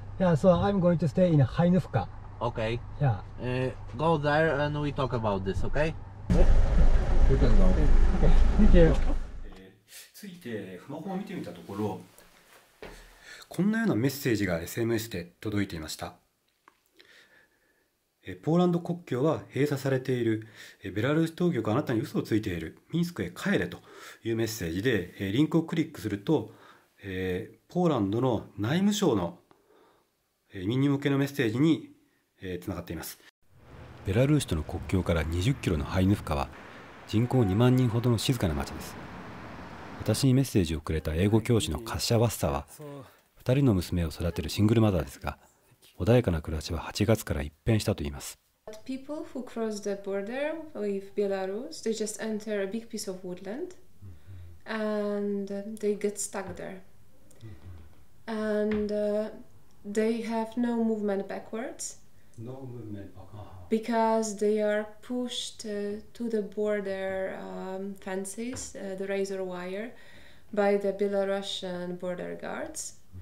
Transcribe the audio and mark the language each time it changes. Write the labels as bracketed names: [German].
[English] Yeah, so I'm going to stay in Hainufka. Okay. Yeah. Go there and we talk about this, okay? Okay. Thank you. [Japanese] ついてスマホを見てみたところ、こんなようなメッセージが SMS で届いていました。ポーランド国境は閉鎖されている、ベラルーシ当局はあなたに嘘をついている、ミンスクへ帰れというメッセージで、リンクをクリックすると、ポーランドの内務省の移民向けのメッセージにつながっています。ベラルーシとの国境から20キロのハイヌフカは人口2万人ほどの静かな町です。私にメッセージをくれた英語教師のカッシャ・ワッサは2人の娘を育てるシングルマザーですが、穏やかな暮らしは8月から一変したと言います。 [English] People who cross the border with Belarus, they just enter a big piece of woodland and they get stuck there. And they have no movement backwards. No movement because they are pushed to the border fences, the razor wire, by the Belarusian border guards.